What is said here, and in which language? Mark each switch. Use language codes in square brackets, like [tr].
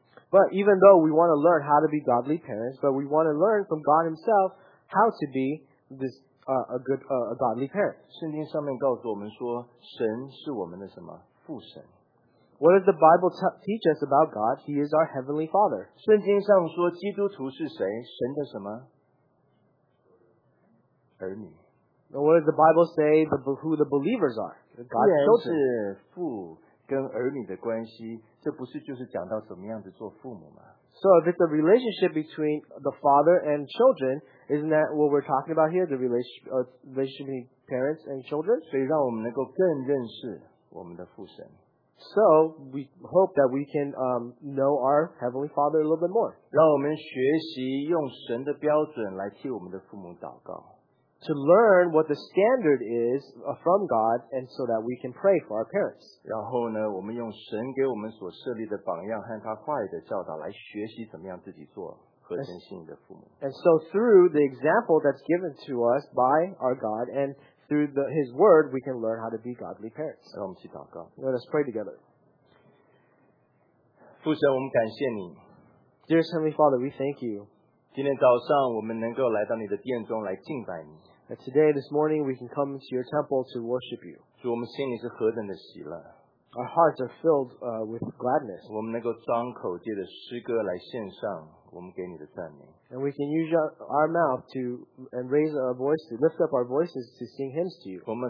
[en] But even though we want to learn how to be godly parents, but we want to learn from God Himself how to be this a godly parent. [zh] 圣经上面告诉我们说，神是我们的什么？父神。 [en] What does the Bible teach us about God? He is our heavenly Father. [zh] 圣经上说，基督徒是谁？神的什么？儿女。 [en] And what does the Bible say who the believers are? God's children. [zh] 既然是父跟儿女的关系，这不是就是讲到怎么样子做父母吗？ [en] So if it's a relationship between the father and children, isn't that what we're talking about here? The relationship between parents and children? [zh] 所以让我们能够更认识我们的父神。 [en] So we hope that we can know our Heavenly Father a little bit more. [zh] 让我们学习用神的标准来替我们的父母祷告。 [en] to learn what the standard is from God, and so that we can pray for our parents. [zh] 然后呢, 我们用神给我们所设立的榜样和他坏的教导来学习怎么样自己做。 [en] And so through the example that's given to us by our God and through His Word, we can learn how to be godly parents. Let us pray together. [zh] 父神，我们感谢你。 [en] Dear Heavenly Father, we thank you. [zh] 今天早上我们能够来到你的殿中来敬拜你。 [en] And today, this morning, we can come to your temple to worship you. [zh] 主，我们心里是何等的喜乐。 [en] Our hearts are filled with gladness. [zh] 我们能够张口借着诗歌来献上。 [en] And we can use our mouth to and raise our voices, lift up our voices to sing hymns to you.